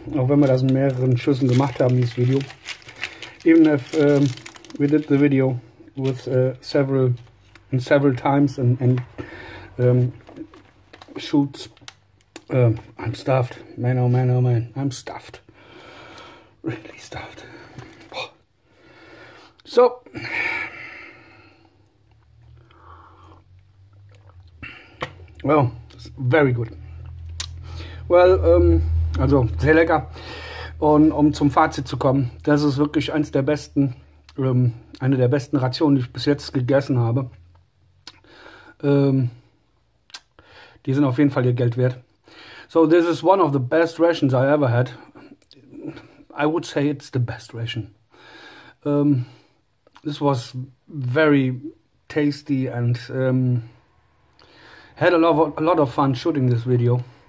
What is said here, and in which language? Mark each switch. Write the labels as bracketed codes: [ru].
[de] Auch wenn wir das in mehreren Schüssen gemacht haben, dieses Video. [en] Even if we did the video with several times and shoots, I'm stuffed. Man, oh man, oh man, I'm stuffed. Really stuffed. So, well, very good. [de] Well, also sehr lecker. Und um zum Fazit zu kommen, das ist wirklich eine der besten Rationen, die ich bis jetzt gegessen habe. Die sind auf jeden Fall ihr Geld wert. [en] So, this is one of the best rations I ever had. I would say it's the best ration. This was very tasty and had a lot of fun shooting this video.